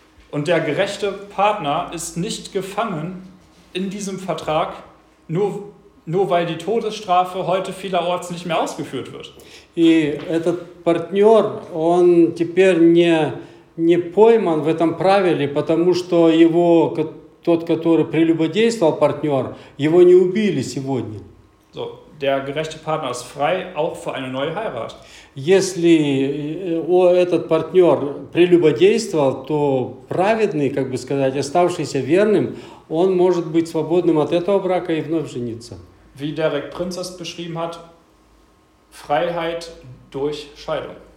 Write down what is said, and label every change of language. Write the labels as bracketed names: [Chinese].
[German] Und der gerechte Partner ist nicht gefangen in diesem Vertrag, nur weil die Todesstrafe heute vielerorts nicht mehr ausgeführt wird. [Russian] И этот партнер, он теперь не пойман в этом правиле, потому что его... Тот, который прелюбодействовал партнер, его не убили сегодня. [German] So, der gerechte Partner ist frei auch für eine neue Heirat. [Russian] Если этот партнер прелюбодействовал, то праведный, как бы сказать, оставшийся верным, он может быть свободным от этого брака и вновь жениться. [German] Wie Derek Prinz es beschrieben hat, Freiheit durch Scheidung.